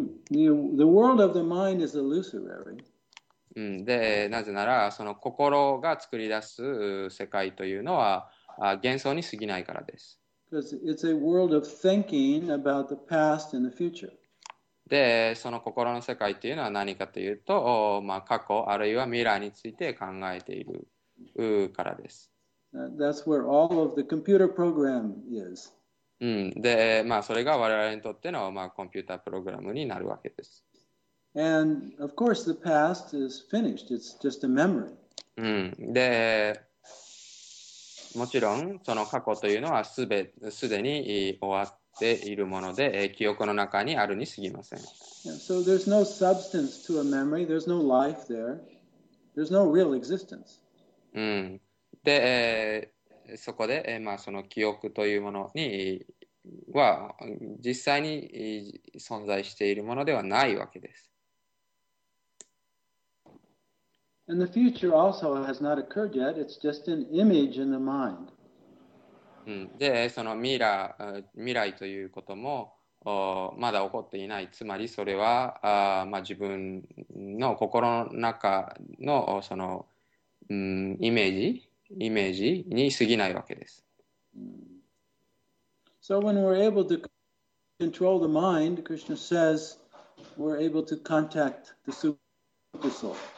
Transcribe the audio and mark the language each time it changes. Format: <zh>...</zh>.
<en>The world of the mind is illusory.</en> <ja>で、なぜならその心が作り出す世界というのは幻想に過ぎないからです。</ja> <en>Because it's a world of thinking about the past and the future.</en> <ja>で、その心の世界というのは何かというと、まあ、過去あるいは未来について考えているからです。</ja> <en>That's where all of the computer program is.</en> <ja>で、まあ、それが我々にとっての、まあ、コンピュータープログラムになるわけです。</ja> <en>And of course the past is finished. It's just a memory.</en> <ja>で、もちろんその過去というのはすでに終わっているもので、記憶の中にあるに過ぎません。</ja> <en>Yeah, so there's no substance to a memory. There's no life there. There's no real existence.</en> <ja>で、そこで、まあ、その記憶というものには実際に存在しているものではないわけです。</ja> <en>And the future also has not occurred yet. It's just an image in the mind.</en> <ja>で、その未来ということもまだ起こっていない。つまりそれは、まあ、自分の心の中のその、イメージに過ぎないわけです。</ja> <en>So when we're able to control the mind, Krishna says we're able to contact the super soul.</en>